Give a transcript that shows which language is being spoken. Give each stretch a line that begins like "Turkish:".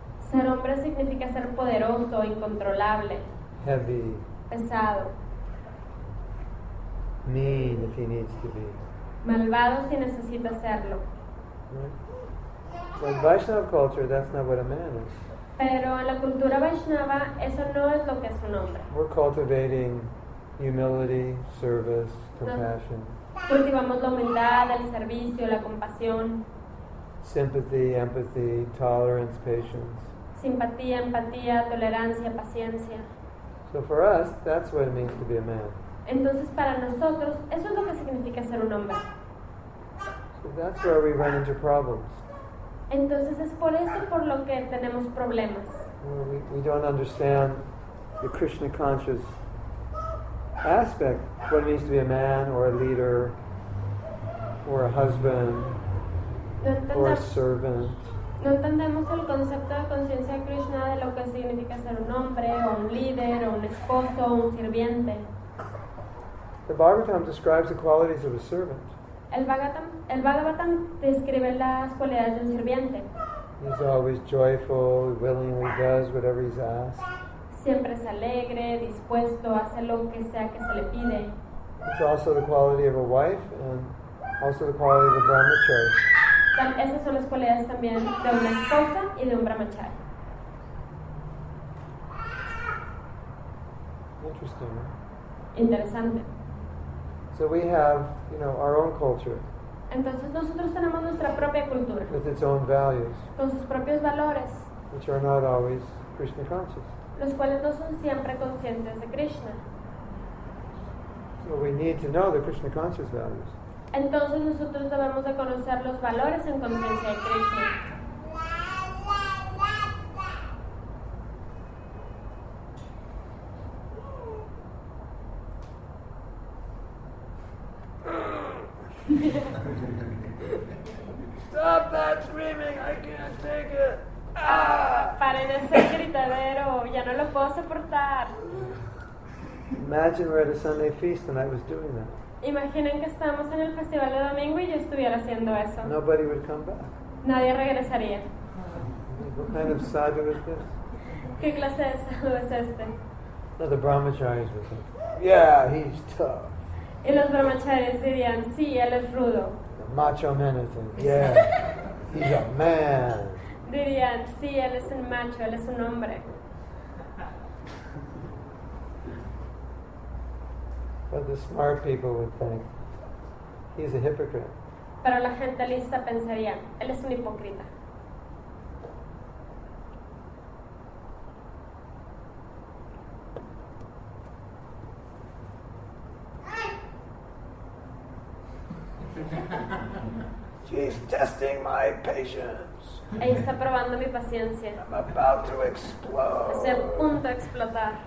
Spanish: Ser hombre significa ser poderoso, incontrolable.
English: Heavy.
Spanish: Pesado.
English: Mean, if he needs to be.
Spanish: Malvado si necesita serlo.
English: Right? In Vaishnava culture, that's not what a man is.
Spanish: Pero en la cultura Vaishnava, eso no es lo que es un hombre.
English: We're cultivating humility, service, compassion.
Spanish: Cultivamos la humildad, el servicio, la compasión.
English: Sympathy, empathy, tolerance, patience.
Spanish: Simpatía, empatía, tolerancia, paciencia.
English: So for us, that's what it means to be a man.
Spanish: Entonces para nosotros, eso es lo que significa ser un hombre.
English: So that's where we run into problems.
Spanish: Entonces es por eso por lo que tenemos problemas.
English: We don't understand the Krishna conscious aspect, what it means to be a man or a leader or a husband or a servant.
Spanish: No entendemos el concepto de conciencia de Krishna de lo que significa ser un hombre o un líder o un esposo o un sirviente.
English: The Bhagavatam describes the qualities of a servant.
Spanish: El Bhagavatam describe las cualidades de un sirviente.
English: He's always joyful, willingly does whatever he's asked.
Spanish: Siempre es alegre, dispuesto, hace lo que sea que se le pide.
English: It's also the quality of a wife and also the quality of a brahmachari.
Spanish: Esas son las cualidades también de una esposa y de un brahmachari.
English: Interesting.
Spanish: Interesante.
English: So we have, you know, our own culture.
Spanish: Entonces nosotros tenemos nuestra propia cultura.
English: With its own values.
Spanish: Con sus propios valores.
English: Which are not always Krishna conscious.
Spanish: Los cuales no son siempre conscientes de Krishna.
English: So we need to know the Krishna conscious values.
Spanish: Entonces nosotros debemos de conocer los valores en conciencia de Krishna.
English: Stop that screaming! I can't take it.
Spanish: Paren ese gritadero, ya no lo puedo soportar.
English: Imagine we're at a Sunday feast and I was doing that.
Spanish: Imaginen que estamos en el festival de domingo y yo estuviera haciendo eso.
English: Nobody would come back.
Spanish: Nadie regresaría.
English: What kind of sadhu is this?
Spanish: ¿Qué clase de sadhu es este?
English: No, the brahmacharis would say, yeah, he's tough.
Spanish: Y los brahmacharis dirían, sí, él es rudo.
English: The macho men would say, yeah, he's a man.
Spanish: Dirían, sí, él es un macho, él es un hombre.
English: But the smart people would think he's a hypocrite.
Spanish: Pero la gente lista pensaría, él es un hipócrita.
English: She's testing my patience.
Spanish: Ella está probando mi paciencia.
English: I'm about to explode.
Spanish: Estoy a punto de explotar.